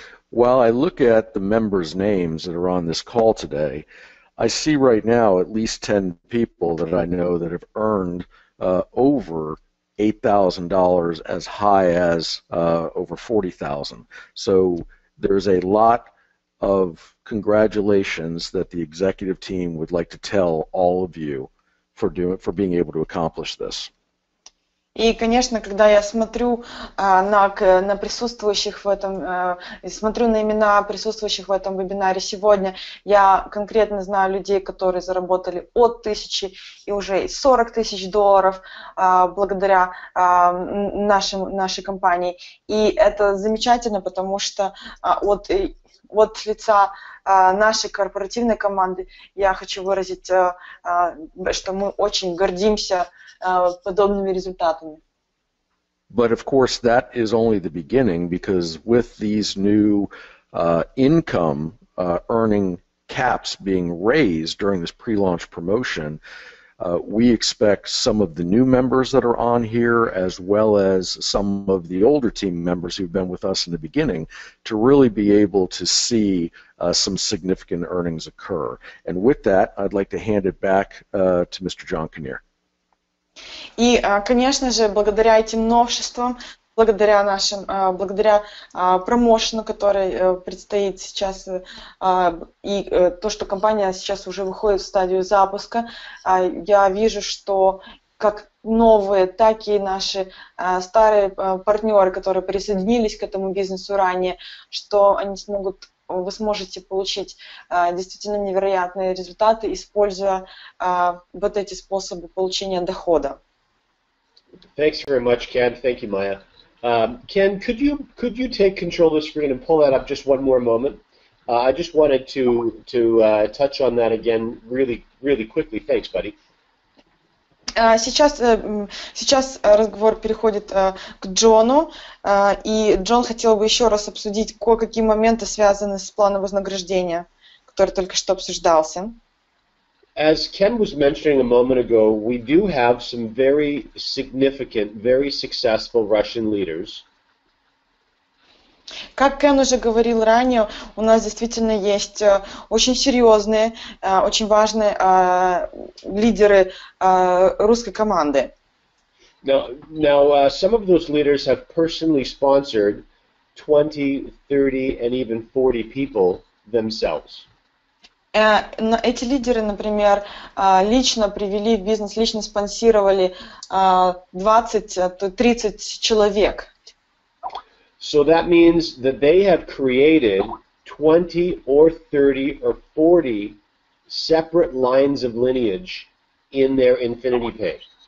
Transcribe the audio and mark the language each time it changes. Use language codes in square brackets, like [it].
[en] While I look at the members' names that are on this call today, I see right now at least 10 people that I know that have earned over $8,000, as high as over $40,000. So there's a lot of congratulations that the executive team would like to tell all of you for being able to accomplish this. [ru] И, конечно, когда я смотрю на присутствующих в этом, смотрю на имена присутствующих в этом вебинаре сегодня, я конкретно знаю людей, которые заработали от 1000 и уже 40 тысяч долларов благодаря нашей компании. И это замечательно, потому что от лица нашей корпоративной команды я хочу выразить, что мы очень гордимся подобными результатами. [en] But of course that is only the beginning, because with these new income earning caps being raised during this pre-launch promotion, we expect some of the new members that are on here, as well as some of the older team members who've been with us in the beginning, to really be able to see some significant earnings occur. And with that, I'd like to hand it back to Mr. John Kinnear. [ru] И, конечно же, благодаря этим новшествам, благодаря нашим, благодаря промоушену, который предстоит сейчас, и то, что компания сейчас уже выходит в стадию запуска, я вижу, что как новые, так и наши старые партнеры, которые присоединились к этому бизнесу ранее, что они смогут, вы сможете получить действительно невероятные результаты, используя вот эти способы получения дохода. [en] Thanks very much, Ken. Thank you, Maya. Ken, could you take control of the screen and pull that up just one more moment? I just wanted to touch on that again really, really quickly. Thanks, buddy. [ru] Сейчас разговор переходит к Джону, и Джон хотел бы еще раз обсудить кое-какие моменты, связанные с планом вознаграждения, который только что обсуждался. [en] As Ken was mentioning a moment ago, we do have some very significant, very successful Russian leaders. [ru] Как Кен уже говорил ранее, у нас действительно есть очень серьезные, очень важные лидеры русской команды. [en] Now, some of those leaders have personally sponsored 20, 30, and even 40 people themselves. [ru] Эти лидеры, например, лично привели в бизнес, лично спонсировали 20-30 человек. [en] So that means that they have created 20 or 30 or 40 separate lines of lineage in their Infinity Pay.